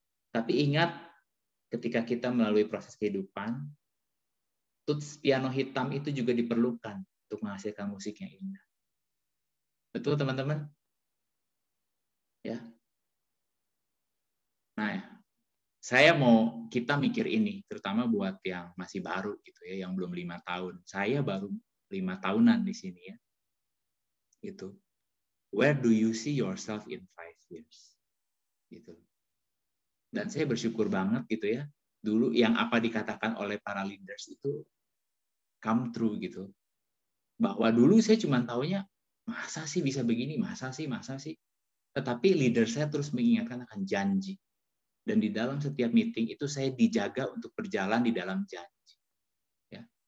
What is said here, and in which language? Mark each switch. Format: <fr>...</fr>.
<id>Tapi ingat, ketika kita melalui proses kehidupan, tuts piano hitam itu juga diperlukan untuk menghasilkan musik yang indah. Betul, teman-teman? Ya. Nah, ya. Saya mau kita mikir ini, terutama buat yang masih baru gitu ya, yang belum 5 tahun. Saya baru 5 tahunan di sini ya. Gitu.</id> <en>Where do you see yourself in 5 years?</en> <id>Gitu. Dan saya bersyukur banget gitu ya. Dulu yang apa dikatakan oleh para leaders itu</id> <en>come true</en> <id>gitu. Bahwa dulu saya cuma taunya masa sih bisa begini, masa sih. Tetapi leader saya terus mengingatkan akan janji. Dan di dalam setiap meeting itu saya dijaga untuk berjalan di dalam janji. Ya.</id>